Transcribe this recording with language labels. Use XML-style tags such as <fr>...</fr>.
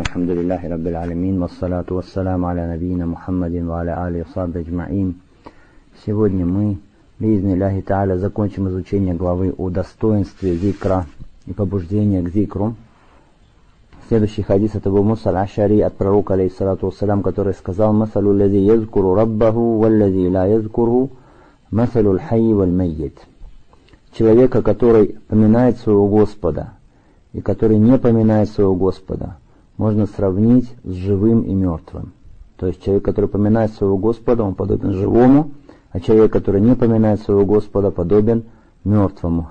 <ar>الحمد لله رب العالمين، والصلاة والسلام على نبينا محمد وعلى آله وصحبه أجمعين.</ar> <ru>Сегодня мы,</ru> <ar>بإذن الله تعالى,</ar> <ru>закончим изучение главы о достоинстве зикра и побуждения к зикру. Следующий хадис это был Мусал Ашари от пророка عليه الصلاة والسلام, который сказал:</ru> <ar>مثل الذي يذكر ربه والذي لا يذكره مثل الحي والميت.</ar> <ru>Человека, который поминает своего Господа и который не поминает своего Господа, можно сравнить с живым и мертвым. То есть человек, который поминает своего Господа, он подобен живому, а человек, который не поминает своего Господа, подобен мертвому.</ru>